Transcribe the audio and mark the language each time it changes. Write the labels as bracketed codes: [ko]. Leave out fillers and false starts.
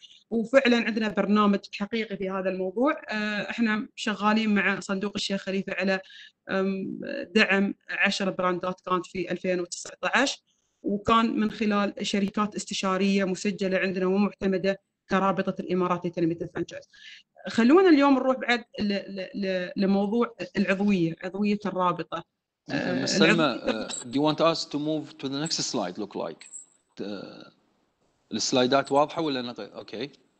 [ar] وفعلا عندنا برنامج حقيقي في هذا الموضوع. احنا شغالين مع صندوق الشيخ خليفة على دعم 10 براندات كانت في 2019، وكان من خلال شركات استشارية مسجلة عندنا ومعتمدة كرابطة الإمارات لتنمية الفرنشايز. خلونا اليوم نروح بعد لموضوع العضوية، عضوية الرابطة. [en] Ms. Salma, do you want us to move to the next slide, look like? The slide that [ar] واضحة ولا نغير؟ [en] Okay.